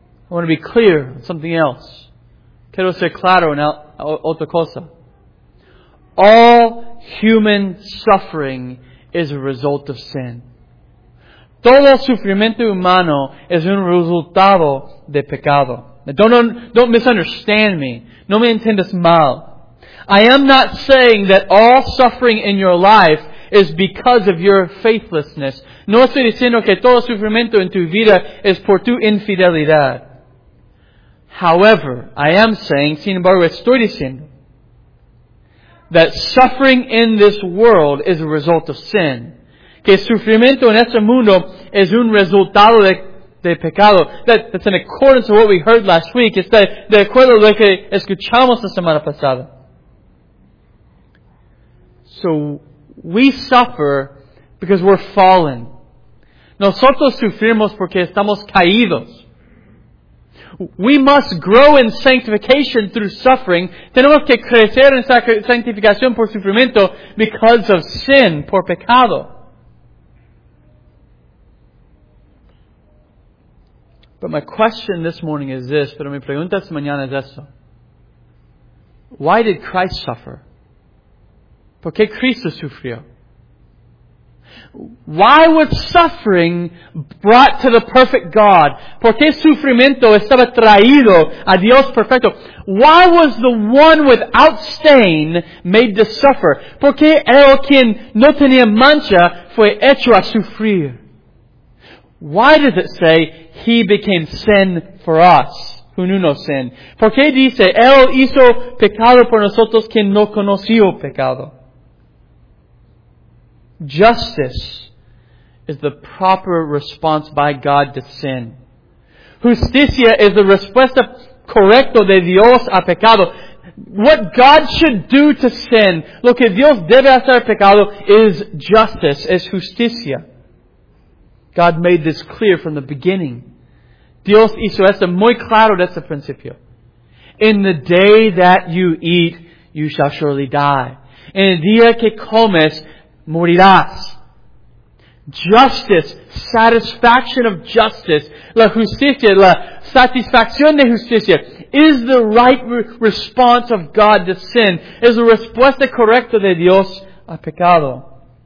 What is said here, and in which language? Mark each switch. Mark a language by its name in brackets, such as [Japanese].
[English] I want to be clear on something else. [Spanish] Quiero ser claro en otra cosa. [English] All human suffering is a result of sin. [Spanish] Todo sufrimiento humano es un resultado de pecado. [English] Now don't misunderstand me. [Spanish] No me entiendas mal. [English] I am not saying that all suffering in your life is because of your faithlessness. [Spanish] No estoy diciendo que todo sufrimiento en tu vida es por tu infidelidad. [English] However, I am saying, [Spanish] sin embargo, estoy diciendo [English] that suffering in this world is a result of sin. [Spanish] Que sufrimiento en este mundo es un resultado de pecado. [English] That's in accordance with what we heard last week. [Spanish] Es de acuerdo a lo que escuchamos la semana pasada. [English] So, we suffer because we're fallen. [Spanish] Nosotros sufrimos porque estamos caídos. [English] We must grow in sanctification through suffering. [Spanish] Tenemos que crecer en santificación por sufrimiento [English] because of sin, [Spanish] por pecado. [English] But my question this morning is this, [Spanish] pero mi pregunta esta mañana es esto. [English] Why did Christ suffer? [Spanish] ¿Por qué Cristo sufrió? [English] Why was suffering brought to the perfect God? [Spanish] ¿Por qué sufrimiento estaba traído a Dios perfecto? [English] Why was the one without stain made to suffer? [Spanish] ¿Por qué el quien no tenía mancha fue hecho a sufrir? [English] Why does it say he became sin for us who knew no sin? [Spanish] ¿Por qué dice él hizo pecado por nosotros quien no conoció pecado? [English] Justice is the proper response by God to sin. [Spanish] Justicia is the respuesta correcta de Dios a pecado. [English] What God should do to sin, [Spanish] lo que Dios debe hacer a pecado, [English] is justice, [Spanish] es justicia. [English] God made this clear from the beginning. [Spanish] Dios hizo esto muy claro desde el principio. [English] In the day that you eat, you shall surely die. [Spanish] En el día que comes, morirás. [English] Justice, satisfaction of justice, [Spanish] la justicia, la satisfacción de justicia, [English] is the right response of God to sin, [Spanish] is the respuesta correcta de Dios a pecado.